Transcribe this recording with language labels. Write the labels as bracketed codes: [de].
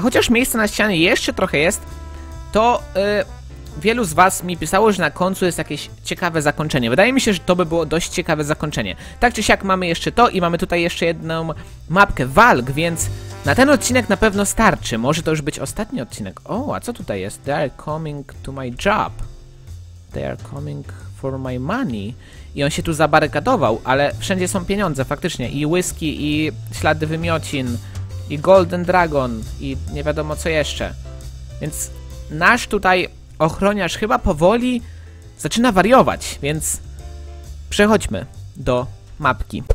[pl] Chociaż miejsce na ścianie jeszcze trochę jest, to wielu z was mi pisało, że na końcu jest jakieś ciekawe zakończenie. Wydaje mi się, że to by było dość ciekawe zakończenie. Tak czy siak mamy jeszcze to i mamy tutaj jeszcze jedną mapkę walk, więc... Na ten odcinek na pewno starczy. Może to już być ostatni odcinek. O, a co tutaj jest? [en] They are coming to my job. They are coming for my money. [pl] I on się tu zabarykadował, ale wszędzie są pieniądze, faktycznie. I whisky, i ślady wymiocin, i golden dragon, i nie wiadomo co jeszcze. Więc nasz tutaj ochroniarz chyba powoli zaczyna wariować, więc przechodźmy do mapki.